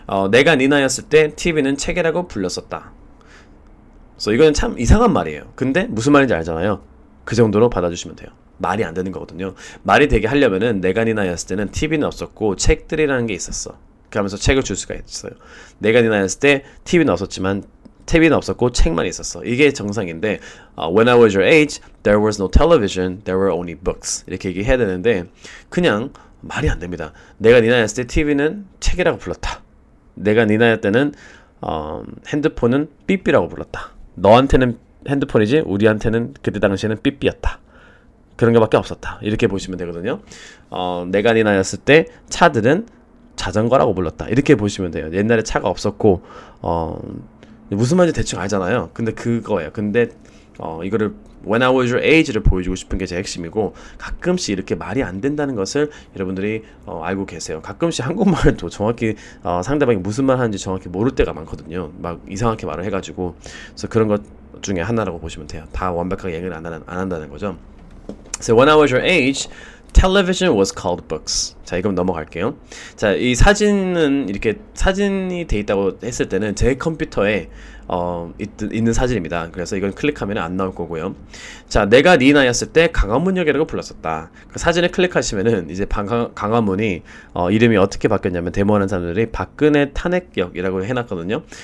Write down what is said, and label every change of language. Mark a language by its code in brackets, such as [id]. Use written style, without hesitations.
[ko] 내가 네 나이였을 때 TV는 책이라고 불렸었다. So 이거는 참 이상한 말이에요. 근데 무슨 말인지 알잖아요. 그 정도로 받아주시면 돼요. 말이 안 되는 거거든요. 말이 되게 하려면은 내가 네 나이였을 때는 TV는 없었고 책들이라는 게 있었어. 하면서 책을 줄 수가 있어요. 내가 네 나이였을 때 TV는 없었지만 TV는 없었고 책만 있었어. 이게 정상인데 [en] When I was your age, there was no television, there were only books. [ko] 이렇게 얘기해야 되는데 그냥 말이 안 됩니다. 내가 네 나이였을 때 TV는 책이라고 불렀다. 내가 네 나이 때는 핸드폰은 삐삐라고 불렀다. 너한테는 핸드폰이지 우리한테는 그때 당시에는 삐삐였다. 그런 것밖에 없었다. 이렇게 보시면 되거든요. 내가 네 나이였을 때 차들은 자전거라고 불렀다. 이렇게 보시면 돼요. 옛날에 차가 없었고 무슨 말인지 대충 알잖아요. 근데 그거예요. 근데 이거를 [en] When I was your age [ko] 를 보여주고 싶은 게 제 핵심이고 가끔씩 이렇게 말이 안 된다는 것을 여러분들이 알고 계세요. 가끔씩 한국말도 정확히 상대방이 무슨 말 하는지 정확히 모를 때가 많거든요. 막 이상하게 말을 해가지고 그래서 그런 것 중에 하나라고 보시면 돼요. 다 완벽하게 얘기를 안 한다는 거죠. [en] So when I was your age, television was called books. [ko] 자, 이건 넘어갈게요. 자, 이 사진은 이렇게 사진이 돼 있다고 했을 때는 제 컴퓨터에 있는 사진입니다. 그래서 이건 클릭하면 안 나올 거고요. 자, 내가 네 나이였을 때 강화문역이라고 불렀었다. 그 사진을 클릭하시면은 이제 강화문이 이름이 어떻게 바뀌었냐면 데모하는 사람들이 박근혜 탄핵역이라고 해놨거든요.